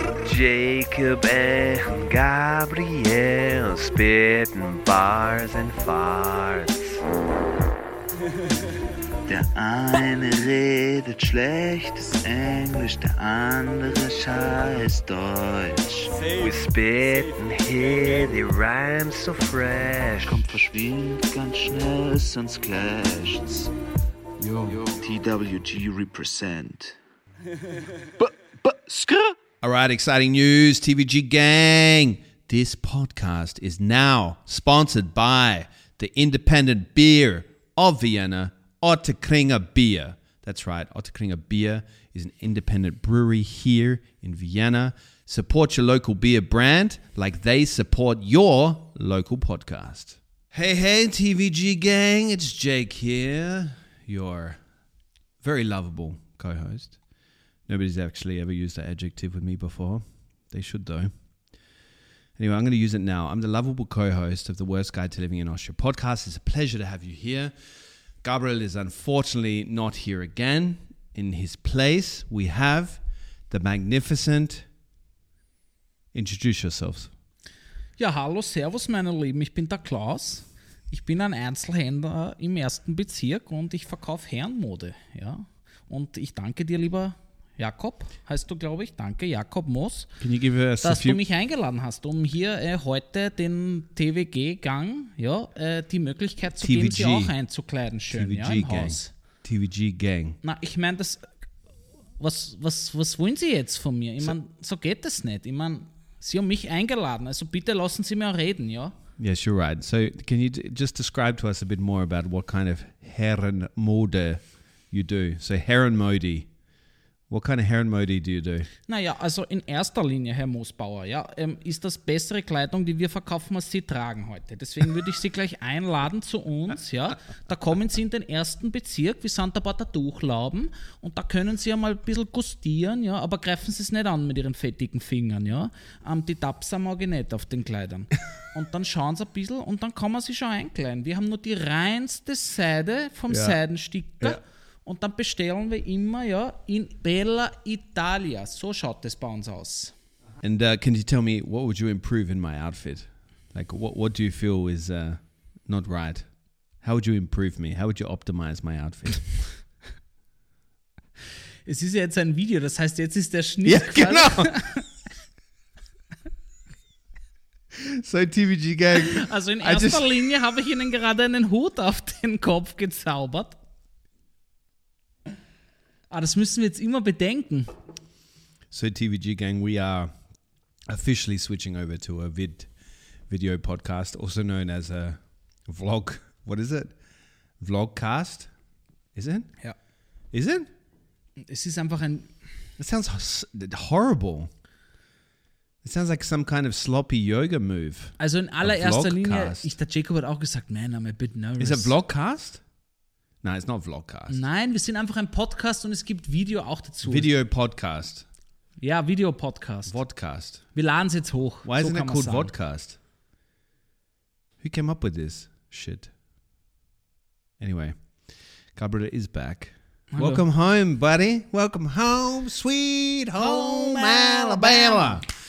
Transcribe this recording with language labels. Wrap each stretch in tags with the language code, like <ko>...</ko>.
<de>Jacob und Gabriel spitten</de> <en>Bars and Farts.</en> <de>Der eine redet schlechtes Englisch, der andere scheiß Deutsch.</de> <en>We spit and hear the rhymes so fresh.</en> <de>Komm, verschwind ganz schnell, sonst clasht's. Yo.</de> <en>TWG represent. Skr! Alright, exciting news, TWG gang. This podcast is now sponsored by the independent beer of Vienna, Otterkringer Beer. That's right. Otterkringer Beer is an independent brewery here in Vienna. Support your local beer brand like they support your local podcast. Hey, hey, TVG gang. It's Jake here, your very lovable co-host. Nobody's actually ever used that adjective with me before. They should, though. Anyway, I'm going to use it now. I'm the lovable co-host of the Worst Guide to Living in Austria podcast. It's a pleasure to have you here. Gabriel is unfortunately not here again. In his place, we have the magnificent. Introduce yourselves.</en> <de>Ja, hallo, servus, meine Lieben. Ich bin der Klaus. Ich bin ein Einzelhändler im ersten Bezirk und ich verkaufe Herrenmode. Ja. Und ich danke dir, lieber Jakob, heißt du, glaube ich. Danke, Jakob Moos, dass du mich eingeladen hast, um hier heute den TWG-Gang die Möglichkeit zu geben, sie auch einzukleiden, schön im Haus. TWG-Gang. Na, ich meine, was wollen Sie jetzt von mir? Ich meine, so geht das nicht. Ich meine, Sie haben mich eingeladen, also bitte lassen Sie mir auch reden, ja?</de> <en>Yes, you're right. So, can you just describe to us a bit more about what kind of Herrenmode you do? So, Herrenmode. What kind of Herrenmode do you do?</en> <de>Naja, also in erster Linie, Herr Moosbauer, ja, ist das bessere Kleidung, die wir verkaufen, als Sie tragen heute. Deswegen würde ich Sie gleich einladen zu uns. Ja. Da kommen Sie in den ersten Bezirk, wie Santa Barta Tuchlauben, und da können Sie ja mal ein bisschen gustieren, ja, aber greifen Sie es nicht an mit Ihren fettigen Fingern. Ja. Die Tapsa mag ich nicht auf den Kleidern. Und dann schauen Sie ein bisschen und dann kann man sich schon einkleiden. Wir haben nur die reinste Seide vom Seidensticker. Ja. Und dann bestellen wir immer, ja, in Bella Italia. So schaut das bei uns aus.</de> <en>And can you tell me, what would you improve in my outfit? Like, what do you feel is not right? How would you improve me? How would you optimize my outfit?</en> <de>Es ist ja jetzt ein Video, das heißt, jetzt ist der Schnitt. Ja, genau. So, TVG Gang. Also in erster Linie habe ich Ihnen gerade einen Hut auf den Kopf gezaubert. Ah, das müssen wir jetzt immer bedenken.</de> <en>So, TVG Gang, we are officially switching over to a video podcast, also known as a vlog. What is it? Vlogcast? Is it?</en> <de>Ja.</de> <en>Is it?</en> <de>Es ist einfach ein.</de> <en>It sounds horrible. It sounds like some kind of sloppy yoga move.</en> <de>Also, in allererster Linie, der Jacob hat auch gesagt, man,</de> <en>I'm a bit nervous. Is it Vlogcast?</en> <de>Nein, es ist nicht Vlogcast. Nein, wir sind einfach ein Podcast und es gibt Video auch dazu. Video-Podcast. Ja, Video-Podcast. Vodcast. Wir laden es jetzt hoch.</de> <en>Why isn't it called Vodcast? Who came up with this shit? Anyway, Carburetor is back. Hello. Welcome home, buddy. Welcome home, sweet home Alabama.</en>